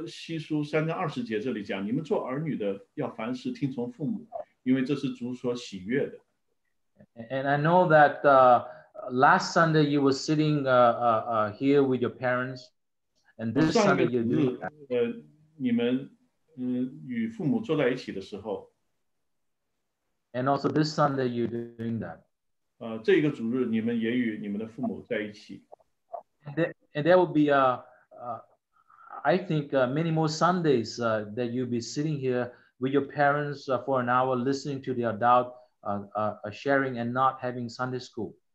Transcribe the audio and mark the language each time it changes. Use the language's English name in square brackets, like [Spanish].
[Chinese] 因为在哥罗西书3:20节这里讲, 你们做儿女的要凡事听从父母, 因为这是主所喜悦的。 [English] And I know that last Sunday you were sitting here with your parents, and this Sunday you're doing that. [Chinese] 你们与父母坐在一起的时候, [English] And also this Sunday, you're doing that. [Chinese] 这个主日你们也与你们的父母在一起。 [English] And there will be, I think, many more Sundays that you'll be sitting here with your parents for an hour, listening to the adult, sharing and not having Sunday school.